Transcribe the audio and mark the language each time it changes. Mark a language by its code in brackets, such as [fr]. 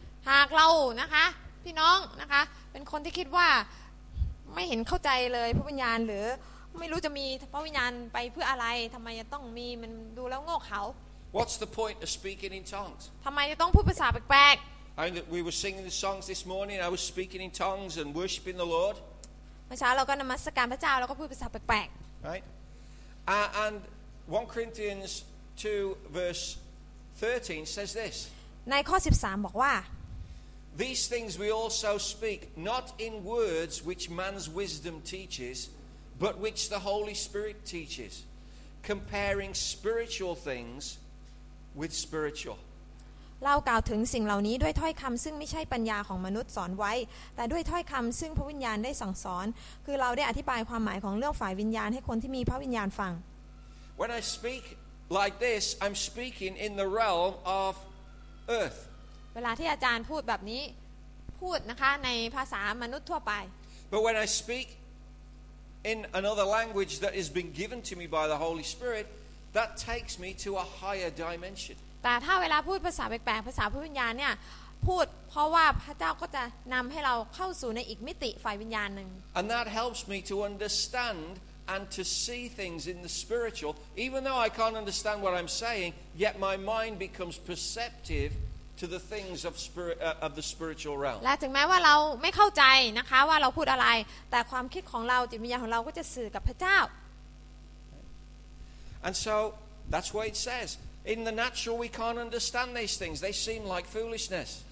[th] หากเรานะคะพี่น้องนะคะเป็นคนที่คิดว่าไม่เห็นเข้าใจเลยพระวิญญาณหรือไม่รู้จะมีพระวิญญาณไปเพื่ออะไรทำไมจะต้องมีมันดูแล้วโง่เขา [en] What's the point of speaking in tongues [th] ทำไมจะต้องพูดภาษาแปลก [en] ๆ I mean, we were singing the songs this morning I was speaking in tongues and worshiping the Lord [th] เมื่อเช้าเราก็นมัสการพระเจ้าแล้วก็พูดภาษาแปลก [en] ๆ Right and 1 Corinthians 2 verse 13 says this [th] ในข้อ13บอกว่า [en] These things we also speak not in words which man's wisdom teaches but which the Holy Spirit teaches comparing spiritual things with spiritual [th] เรากล่าวถึงสิ่งเหล่านี้ด้วยถ้อยคำซึ่งไม่ใช่ปัญญาของมนุษย์สอนไว้แต่ด้วยถ้อยคำซึ่งพระวิญญาณได้สั่งสอนคือเราได้อธิบายความหมายของเรื่องฝ่ายวิญญาณให้คนที่มีพระวิญญาณฟัง [en] When I speakLike this, I'm speaking in the realm of earth. [th] เวลาที่อาจารย์พูดแบบนี้พูดนะคะในภาษามนุษย์ทั่วไป [en] But when I speak in another language that has been given to me by the Holy Spirit, that takes me to a higher dimension. [th] แต่ถ้าเวลาพูดภาษาแปลกๆภาษาพระวิญญาณเนี่ยพูดเพราะว่าพระเจ้าก็จะนำให้เราเข้าสู่ในอีกมิติฝ่ายวิญญาณนึง [en] And that helps me to understandand to see things in the spiritual even though I can't understand what I'm saying yet my mind becomes perceptive to the things of spirit of the spiritual realm [th] และถึงแม้ว่าเราไม่เข้าใจนะคะว่าเราพูดอะไรแต่ความคิดของเราจิตวิญญาณของเราก็จะสื่อกับพระเจ้า [en] and so that's what it says in the natural we can't understand these things they seem like foolishness